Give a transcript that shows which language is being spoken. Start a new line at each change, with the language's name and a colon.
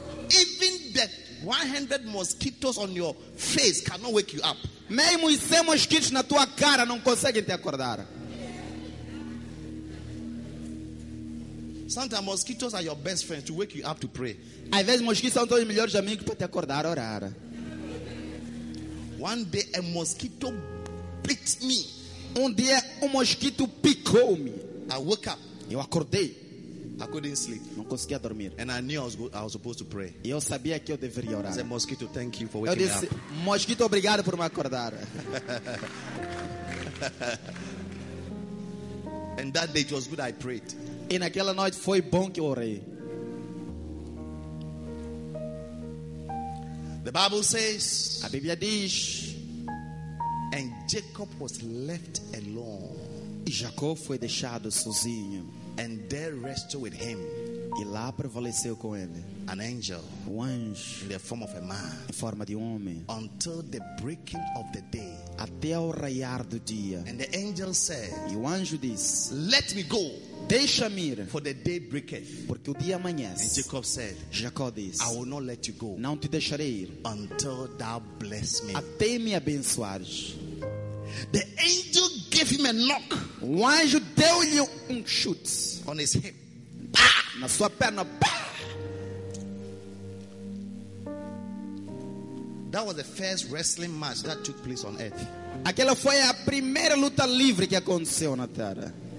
English: Even the 100 mosquitoes on your face cannot wake you up.
Portuguese: Mesmo os 100 mosquitos na tua cara não conseguem te acordar.
English: Sometimes mosquitoes are your best friends to wake you up to pray.
Portuguese: Às vezes mosquitos são teus melhores amigos para te acordar a orar.
English: One day a mosquito bit me.
Portuguese: Um dia mosquito picou me.
English: I woke up.
Portuguese: Eu acordei.
English: I couldn't sleep.
Portuguese: Não conseguia dormir.
English: And I knew I was supposed to pray.
Portuguese: E eu sabia que eu deveria orar.
English: I said, "Mosquito, thank you for waking
Portuguese: eu disse,
English: me up."
Portuguese: Mosquito, obrigado por me acordar.
English: And that day it was good I prayed.
Portuguese: E naquela noite foi bom que eu orei.
English: The Bible says,
Portuguese: a Bíblia diz,
English: and Jacob was left alone.
Portuguese: E Jacó foi deixado sozinho.
English: And there rested with him.
Portuguese: E lá prevaleceu com ele.
English: An angel,
Portuguese: um anjo,
English: in the form of a man,
Portuguese: em forma de homem,
English: until the breaking of the day,
Portuguese: até ao raiar do dia.
English: And the angel said,
Portuguese: e o anjo diz,
English: let me go,
Portuguese: deixa-me ir,
English: for the day breaketh,
Portuguese: porque o dia amanhece.
English: And Jacob said,
Portuguese: Jacó diz,
English: I will not let you go,
Portuguese: não te deixarei ir,
English: until thou bless me,
Portuguese: até me abençoares.
English: The angel gave him a knock,
Portuguese: o anjo deu-lhe chute,
English: on his hip,
Portuguese: na sua perna.
English: That was the first wrestling match that took place on earth.
Portuguese: Aquela foi a primeira luta livre que aconteceu na Terra.